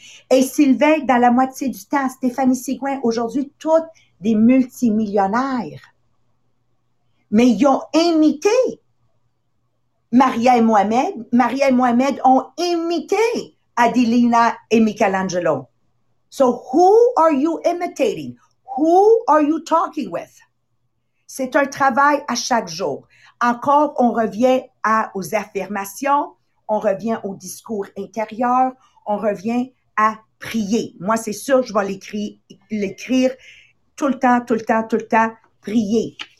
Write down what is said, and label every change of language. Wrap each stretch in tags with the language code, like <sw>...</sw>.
<fr>Et Sylvain, dans la moitié du temps, Stéphanie Sigouin, aujourd'hui, toutes des multimillionnaires. Mais ils ont imité Maria et Mohamed. Maria et Mohamed ont imité Adelina et Michelangelo.</fr> <en>So, who are you imitating? Who are you talking with?</en> <fr>C'est un travail à chaque jour. Encore, on revient aux affirmations, on revient au discours intérieur, on revient à prier. Moi, c'est sûr, je vais l'écrire tout le temps, tout le temps, tout le temps, prier.</fr>